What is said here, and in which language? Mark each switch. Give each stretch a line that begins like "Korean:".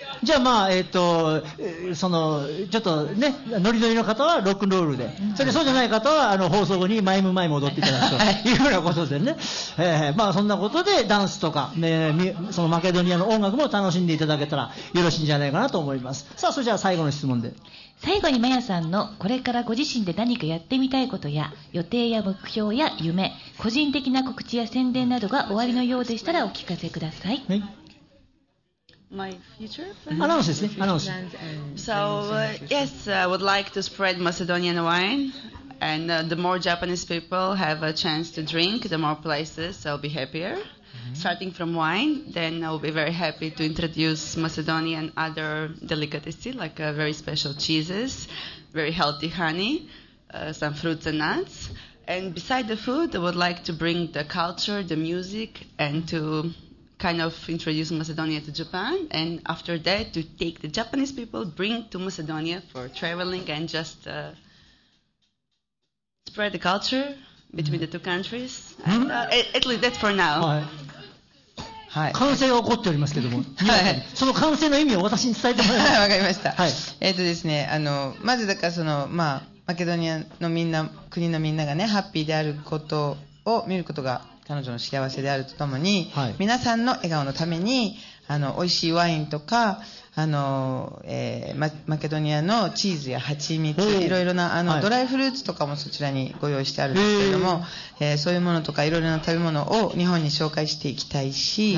Japanese: じゃあまあそのちょっとねノリノリの方はロックンロールで、それでそうじゃない方はあの放送後にマイムマイム踊っていただくというようなことでね、まあそんなことでダンスとか、そのマケドニアの音楽も楽しんでいただけたらよろしいんじゃないかなと思います。さあそれじゃあ最後の質問で、最後にマヤさんのこれからご自身で何かやってみたいことや予定や目標や夢、個人的な告知や宣伝などが終わりのようでしたらお聞かせください。はい、
English: my future analysis, analysis. So yes, I would like to spread Macedonian wine, and the more Japanese people have a chance to drink, the more places I'll be happier. Starting from wine, then I'll be very happy to introduce Macedonian other delicacies like very special cheeses, very healthy honey, some fruits and nuts. And beside the food, I would like to bring the culture, the music, and to kind of introduce Macedonia to Japan, and after that to take the Japanese people, bring to Macedonia for traveling and just spread the culture between the two countries. And, at least that's for now.
Japanese: はい、感染が起こっておりますけども、はい、その感染の意味を私に伝えてもらいます。わかりました。はい、ですね、あのまずだからその、まあ、マケドニアのみんな、国のみんながね、ハッピーであることを見ることが彼女の幸せであるとともに、はい、皆さんの笑顔のためにあの美味しいワインとかあの、マケドニアのチーズや蜂蜜、いろいろなあの、はい、ドライフルーツとかもそちらにご用意してあるんですけれども、そういうものとかいろいろな食べ物を日本に紹介していきたいし、